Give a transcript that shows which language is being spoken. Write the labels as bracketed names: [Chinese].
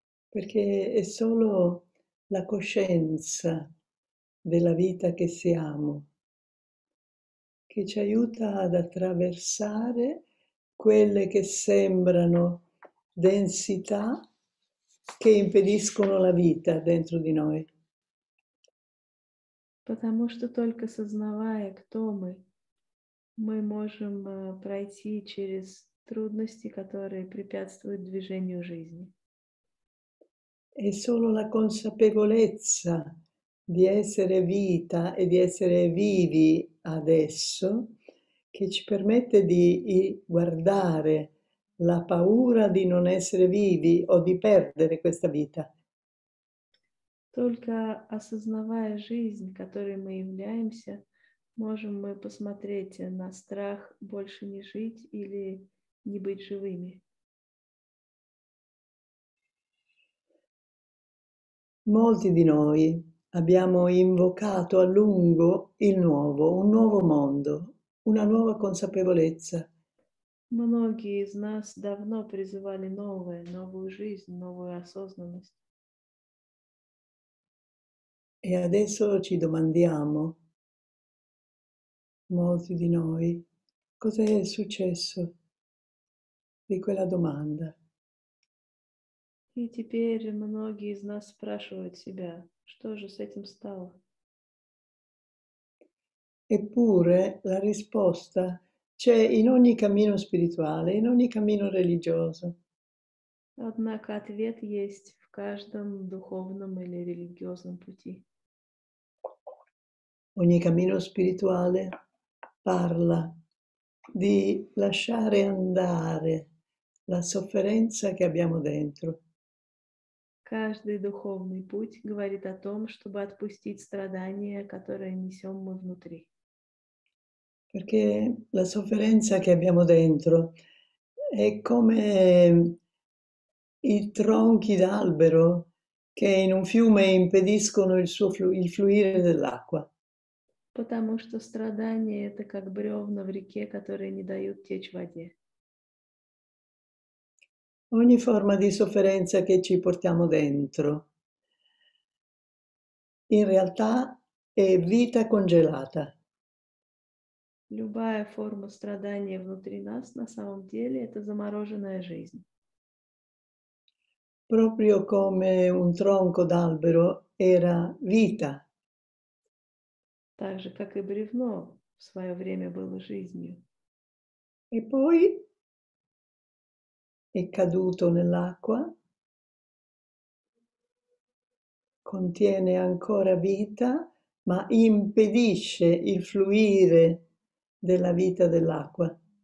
[Italian] Perché è solo la coscienza della vita che siamo che ci aiuta ad attraversare quelle che sembrano densità che impediscono la vita dentro di noi. [Russian] Потому что только сознавая, кто мы можем пройти через трудности, которые препятствуют движению жизни. [Italian] È solo la consapevolezza di essere vita e di essere vivi adesso che ci permette di guardare la paura di non essere vivi o di perdere questa vita. [Russian] Только осознавая жизнь, которой мы являемся, можем мы посмотреть на страх больше не жить или не быть живыми. [Italian] Molti di noi abbiamo invocato a lungo il nuovo, un nuovo mondo, una nuova consapevolezza. [Russian] Многие из нас давно призывали новое, новую жизнь, новую осознанность. [Italian] E adesso ci domandiamo, molti di noi, cosa è successo di quella domanda? [Russian] И теперь многие из нас спрашивают себя, что же с этим стало? [Italian] Eppure la risposta c'è in ogni cammino spirituale, in ogni cammino religioso. [Russian] Однако ответ есть в каждом духовном или религиозном пути. [Italian] Ogni cammino spirituale parla di lasciare andare la sofferenza che abbiamo dentro. [Russian] Каждый духовный путь говорит о том, чтобы отпустить страдания, которые несем мы внутри. [Italian] Perché la sofferenza che abbiamo dentro è come i tronchi d'albero che in un fiume impediscono il fluire dell'acqua. [Russian] Потому что страдания это как бревна в реке, которые не дают течь воде. [Italian] Ogni forma di sofferenza che ci portiamo dentro in realtà è vita congelata. [Russian] Любая форма страдания внутри нас на самом деле это замороженная жизнь. [Italian] Proprio come un tronco d'albero era vita. [Russian] Так же, как и бревно в свое время было жизнью. [Italian] E poi è caduto nell'acqua, contiene ancora vita, ma impedisce il fluire della vita dell'acqua.